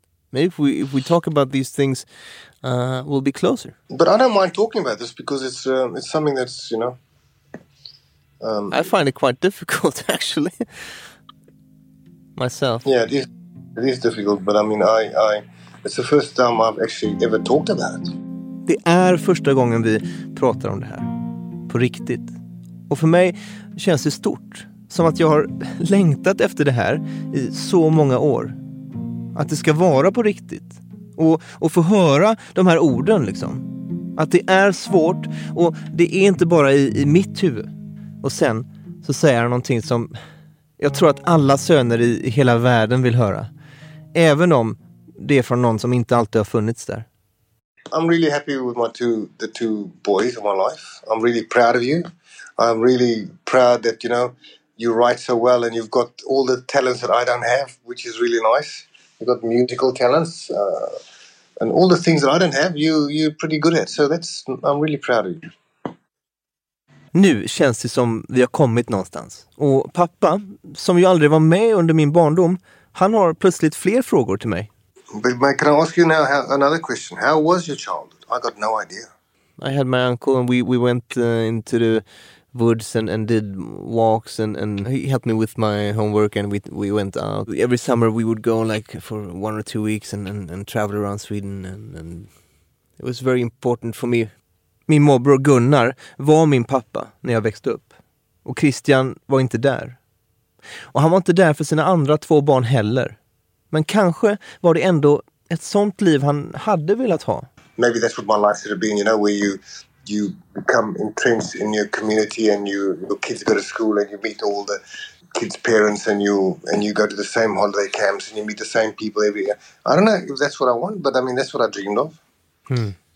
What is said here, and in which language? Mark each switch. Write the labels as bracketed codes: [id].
[en] Maybe if we talk about these things, we'll be closer. But I don't mind talking about this because it's something that's, you know. I find it quite difficult, actually, myself. Yeah, it is difficult, but I mean, I it's the first time I've actually ever talked about it. [sv] Det är första gången vi pratar om det här, på riktigt. Och för mig känns det stort, som att jag har längtat efter det här i så många år. Att det ska vara på riktigt. Och få höra de här orden, liksom. Att det är svårt, och det är inte bara i mitt huvud. Och sen så säger han någonting som jag tror att alla söner i hela världen vill höra. Även om det är från någon som inte alltid har funnits där. [en] I'm really happy with my two boys in my life. I'm really proud of you. I'm really proud that, you know, you write so well and you've got all the talents that I don't have, which is really nice. You've got musical talents and all the things that I don't have, you're pretty good at. So that's, I'm really proud of you. [sv] Nu känns det som vi har kommit någonstans. Och pappa, som ju aldrig var med under min barndom, han har plötsligt fler frågor till mig. [en] But can I ask you now another question? How was your childhood? I got no idea. I had my uncle and we went into the woods and did walks and he helped me with my homework and we went out. Every summer we would go like for 1 or 2 weeks and travel around Sweden and it was very important for me. [sv] Min morbror Gunnar var min pappa när jag växte upp. Och Christian var inte där. Och han var inte där för sina andra två barn heller. Men kanske var det ändå ett sånt liv han hade velat ha. [en] Maybe that's what my life should have been, you know, where you become entrenched in your community and your kids go to school and you meet all the kids' parents and you go to the same holiday camps and you meet the same people every year. I don't know if that's what I want, but I mean that's what I dreamed of. Hmm.